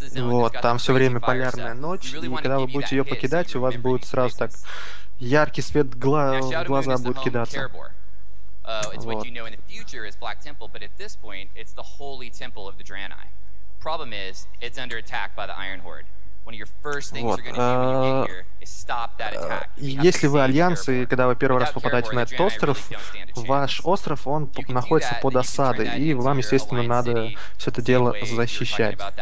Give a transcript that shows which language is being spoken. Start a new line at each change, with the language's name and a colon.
Russian: Вот, там все время полярная ночь, и когда вы будете ее покидать, у вас будет сразу так яркий свет глаза будет кидаться.
English: It's what you know in the future is Black Temple, but at this point it's the holy temple of the Draenei. Problem is, it's under attack by the Iron Horde. One of your first things you're going to do when you get here is stop that attack.
Russian: Если вы Альянс, и когда вы первый раз попадаете на этот остров, ваш остров, он находится под осадой, и вам, естественно, надо все это дело защищать.